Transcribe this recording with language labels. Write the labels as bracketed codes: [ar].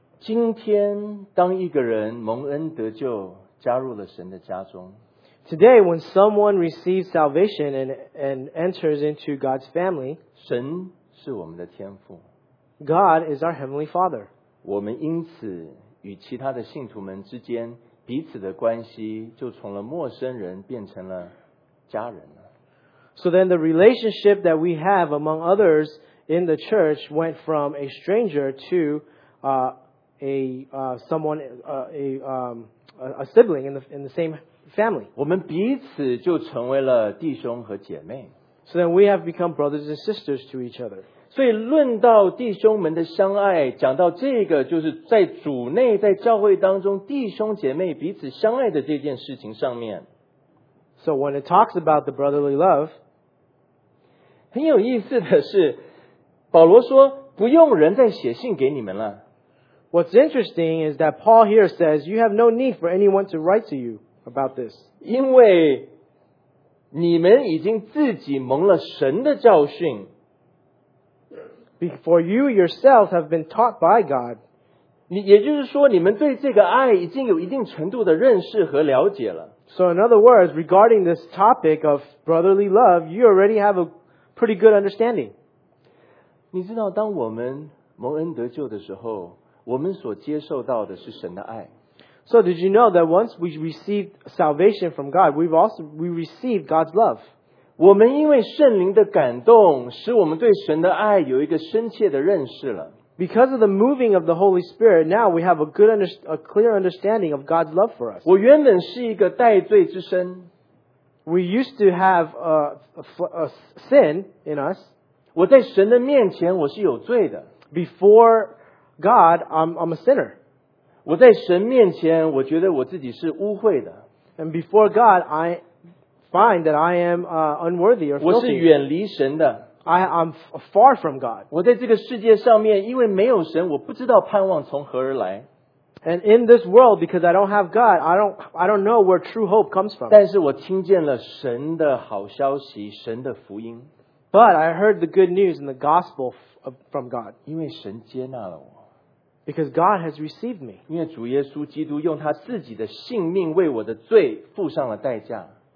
[zh] 今天当一个人蒙恩得救加入了神的家中。 [en] Today, when someone receives salvation and enters into God's family, [zh] 神是我们的天父。 [en] God is our Heavenly Father. [zh] 我们因此与其他的信徒们之间彼此的关系就从了陌生人变成了家人了。 [en] So then the relationship that we have among others in the church went from a stranger to a sibling in the same family. [zh] 我们彼此就成为了弟兄和姐妹。 [en] So then we have become brothers and sisters to each other. [zh] 所以论到弟兄们的相爱，讲到这个就是在主内在教会当中弟兄姐妹彼此相爱的这件事情上面。 [en] So when it talks about the brotherly love, [zh] 很有意思的是，保罗说不用人再写信给你们了。 [en] What's interesting is that Paul here says you have no need for anyone to write to you about this. [zh] 因为你们已经自己蒙了神的教训。 [en] For you yourself have been taught by God. [zh] 也就是说你们对这个爱已经有一定程度的认识和了解了。 [en] So in other words, regarding this topic of brotherly love, you already have a pretty good understanding. [zh] 你知道当我们蒙恩得救的时候，我们所接受到的是神的爱。 [en] So did you know that once we received salvation from God, we received God's love. [zh] 我们因为圣灵的感动，使我们对神的爱有一个深切的认识了。 [en] Because of the moving of the Holy Spirit, now we have a clear understanding of God's love for us. [zh] 我原本是一个带罪之身。 [en] We used to have a sin in us. [zh] 我在神的面前我是有罪的。 [en] Before God, I'm a sinner. [zh] 我在神面前我觉得我自己是污秽的。 [en] And before God, I find that I am unworthy or filthy. [zh] 我是远离神的。 [en] I'm far from God. [zh] 我在这个世界上面因为没有神我不知道盼望从何而来。 [en] And in this world, because I don't have God, I don't know where true hope comes from. [zh] 但是我听见了神的好消息，神的福音。 [en] But I heard the good news and the gospel from God. [zh] 因为神接纳了我。 [en] Because God has received me. [zh] 因为主耶稣基督用他自己的性命为我的罪付上了代价。